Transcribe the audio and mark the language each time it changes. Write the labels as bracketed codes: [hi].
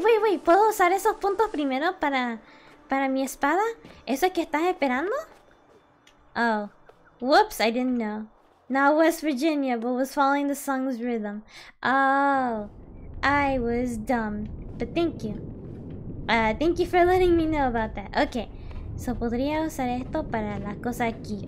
[es] ¿Puedo usar esos puntos primero para mi espada? ¿Eso es que estás esperando? Oh. [en] Whoops, I didn't know. Not West Virginia, but was following the song's rhythm. Oh. I was dumb. But thank you. Thank you for letting me know about that. Okay. [es] So, podría usar esto para las cosas aquí.